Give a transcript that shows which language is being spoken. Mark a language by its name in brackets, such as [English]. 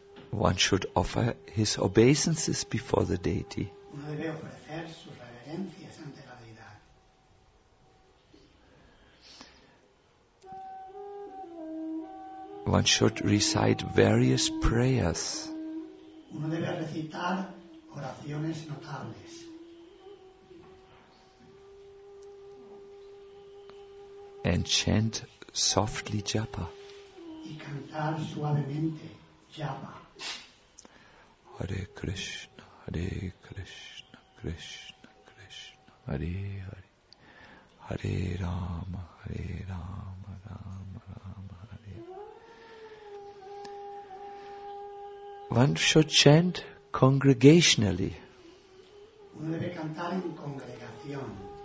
[English] One should offer his obeisances before the deity. [Spanish] Uno debe ofrecer sus reverencias ante la vida. [English] One should recite various prayers. [Spanish] Uno debe recitar oraciones notables. [English] And chant softly japa. [Spanish] Y cantar suavemente japa. [Sanskrit] Hare Krishna, Hare Krishna, Krishna Krishna, Hare Hare. Hare Rama, Hare Rama, Rama Rama, Hare. [English] One should chant congregationally. [Spanish] Uno debe cantar en congregación.